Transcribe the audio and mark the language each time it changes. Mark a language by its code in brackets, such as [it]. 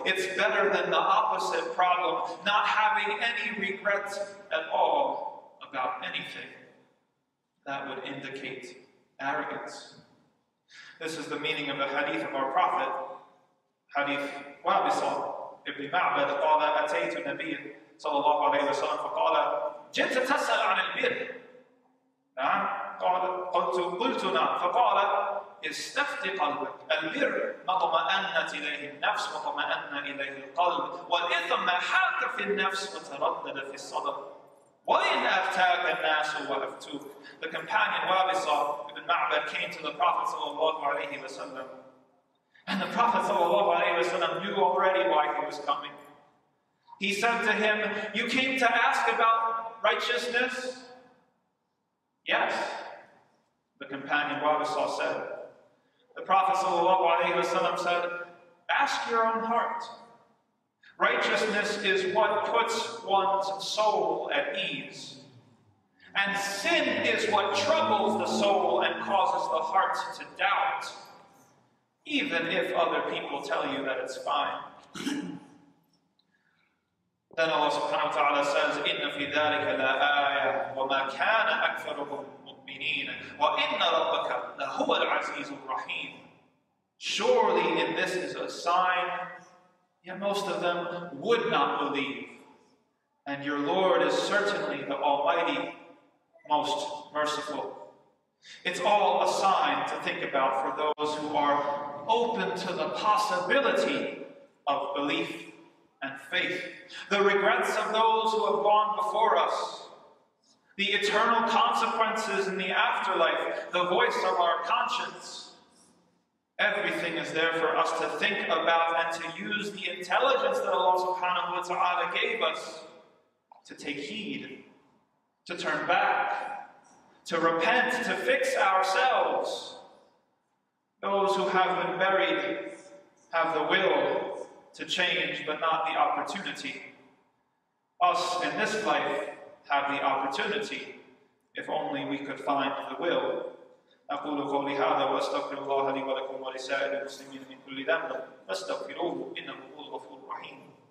[en] It's better than the opposite problem, not having any regrets at all about anything. That would indicate arrogance. This is the meaning of the hadith of our Prophet, Hadith Wabisal. [ar] Ibn Ma'bad قال أتيت النبي صلى الله عليه وسلم فقال جئت تسأل عن البر نعم قال قلت قلت نعم فقال استفت قلبك البر مطمئنة إليه النفس مطمئنة إليه القلب والإثم ما حاك في النفس وتردد في الصدر وإن أفتاك الناس وأفتوك [en] The companion Wabisal Ibn Ma'bad came to the Prophet [ar] صلى الله عليه وسلم [en] And the Prophet knew already why he was coming. He said to him, You came to ask about righteousness? Yes, the companion Wabisal said. The Prophet said, Ask your own heart. Righteousness is what puts one's soul at ease. And sin is what troubles the soul and causes the heart to doubt, even if other people tell you that it's fine. Then Allah subhanahu wa ta'ala says, [ar] إِنَّ فِي ذَلِكَ لَآيَةً وَمَا كَانَ أَكْثَرُهُمْ مُؤْمِنِينَ وَإِنَّ رَبَّكَ لَهُوَ الْعَزِيزُ الرَّحِيمُ. [en] Surely in this is a sign, yet most of them would not believe. And your Lord is certainly the Almighty, most merciful. It's all a sign to think about for those who are open to the possibility of belief and faith. The regrets of those who have gone before us, the eternal consequences in the afterlife, the voice of our conscience, everything is there for us to think about and to use the intelligence that Allah subhanahu wa ta'ala gave us to take heed, to turn back, to repent, to fix ourselves. Those who have been buried have the will to change, but not the opportunity. Us in this life have the opportunity, if only we could find the will. [ar] أقول قولي هذا واستغفر الله لي ولكم ولسائر المسلمين من كل ذنب فاستغفروه إنه هو الغفور الرحيم.